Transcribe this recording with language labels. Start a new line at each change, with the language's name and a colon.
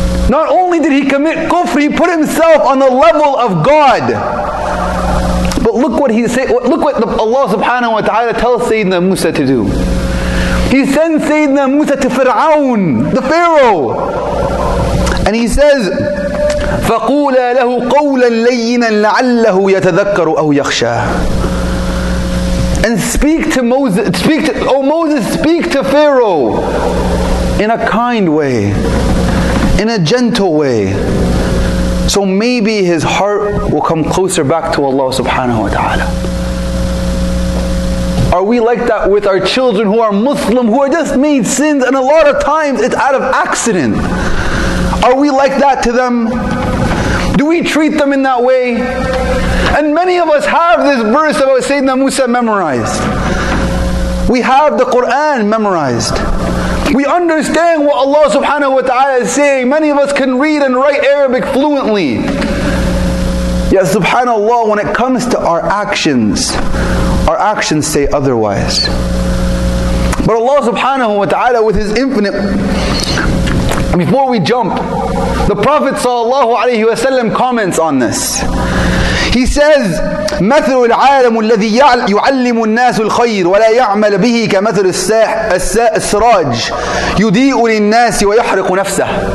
English: Not only did he commit kufr, he put himself on the level of God. But look what Allah subhanahu wa ta'ala tells Sayyidina Musa to do. He sends Sayyidina Musa to Fir'aun, the Pharaoh. And he says,
Arabic: فقولا له قولا لينا لعله يتذكر أو يخشى.
English: And speak to Moses, speak to, oh Moses, speak to Pharaoh in a kind way, in a gentle way. So maybe his heart will come closer back to Allah subhanahu wa ta'ala. Are we like that with our children who are Muslim, who are just made sins, and a lot of times it's out of accident? Are we like that to them? Do we treat them in that way? And many of us have this verse about Sayyidina Musa memorized. We have the Qur'an memorized. We understand what Allah subhanahu wa ta'ala is saying. Many of us can read and write Arabic fluently. Yet subhanallah, when it comes to our actions say otherwise. But Allah subhanahu wa ta'ala with His infinite... Before we jump, the Prophet sallallahu alayhi wa sallam comments on this. He says,
Arabic: مثل العالم الذي يعلم الناس الخير ولا يعمل به كمثل السراج يضيء للناس ويحرق نفسه.